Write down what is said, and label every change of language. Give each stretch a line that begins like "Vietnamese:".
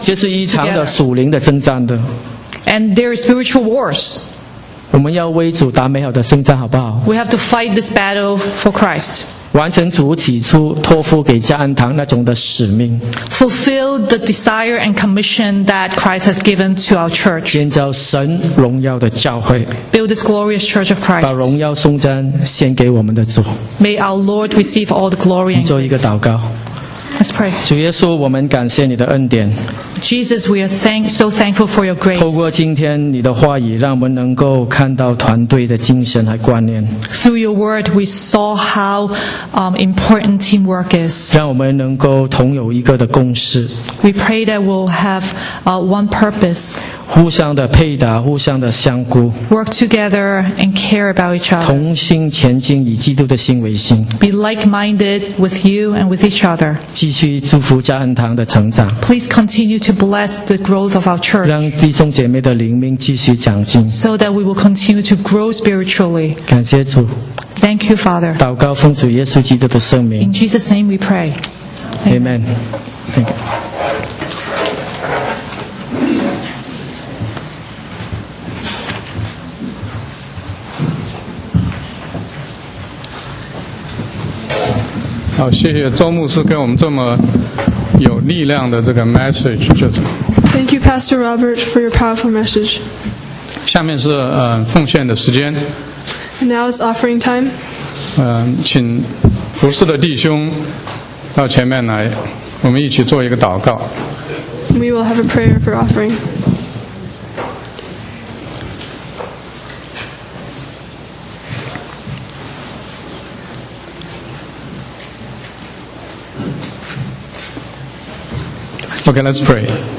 Chinese: 这是一场的属灵的征战的。
English: And there is spiritual wars.
Chinese: 我们要为主打美好的胜仗，好不好
English: ？We have to fight this battle for Christ.
Chinese: 完成主起初托付给迦南堂那种的使命。
English: Fulfill the desire and commission that Christ has given to our church.
Chinese: 建造神荣耀的教会。
English: Build this glorious church of Christ.
Chinese: 把荣耀颂赞献给我们的主。
English: May our Lord receive all the glory.
Chinese: 你做一个祷告。
English: Let's pray.
Chinese: 主耶稣，我们感谢你的恩典。
English: Jesus, we are so thankful for your grace.
Chinese: 透过今天你的话语，让我们能够看到团队的精神和观念。
English: Through your word, we saw how important teamwork is.
Chinese: 让我们能够同有一个的共识。
English: We pray that we'll have one purpose.
Chinese: 互相的配搭，互相的相顾。
English: Work together and care about each other.
Chinese: 同心前进，以基督的心为心。
English: Be like-minded with you and with each other.
Chinese: 继续祝福迦南堂的成长。
English: Please continue to bless the growth of our church.
Chinese: 让弟兄姐妹的灵命继续长进。
English: So that we will continue to grow spiritually.
Chinese: 感谢主。
English: Thank you, Father.
Chinese: 祷告奉主耶稣基督的圣名。
English: In Jesus' name we pray. Amen. Amen. Thank you.
Chinese: 好，谢谢周牧师给我们这么有力量的这个 message， 就是。
English: Thank you, Pastor Robert, for your powerful message.
Chinese: 下面是奉献的时间。
English: And now is offering time.
Chinese: 请服事的弟兄到前面来，我们一起做一个祷告。
English: We will have a prayer for offering. Okay, let's pray.